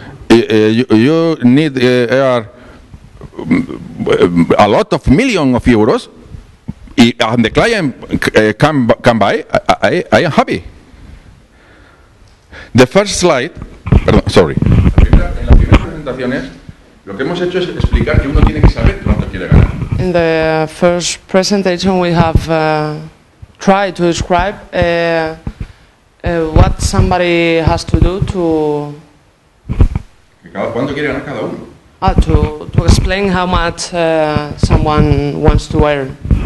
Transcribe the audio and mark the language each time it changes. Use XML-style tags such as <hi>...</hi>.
<en>You need a lot of million of euros, and the client come by. I am happy. The first slide.</en> <es>Perdón,</es> <en>sorry.</en> <es>En las primeras presentaciones, lo que hemos hecho es explicar que uno tiene que saber cuánto quiere ganar.</es> <en>In the first presentation, we have tried to describe what somebody has to do to.</en> <es>¿Cuánto quiere ganar cada uno?</es> <en>To explain how much someone wants to earn.</en>